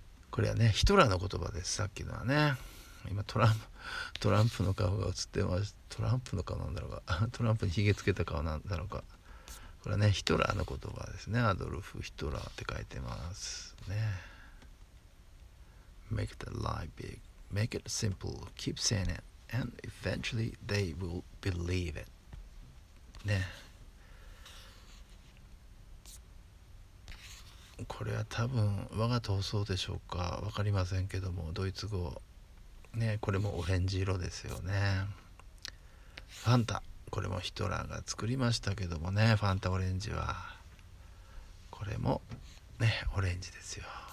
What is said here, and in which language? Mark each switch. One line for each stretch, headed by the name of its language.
Japanese: これはね、ヒトラーの言葉です。さっきのはね、今トランプの顔が映ってます。トランプの顔なんだろうか、トランプにひげつけた顔なんだろうか。これはね、ヒトラーの言葉ですね。アドルフ・ヒトラーって書いてますね。
English: Make the lie big, make it simple, keep saying it, and eventually they will believe it ね。
Japanese: これは多分我が闘争でしょうか、わかりませんけども、ドイツ語ね、これもオレンジ色ですよね。ファンタ、これもヒトラーが作りましたけどもね、ファンタオレンジは、これもね、オレンジですよ。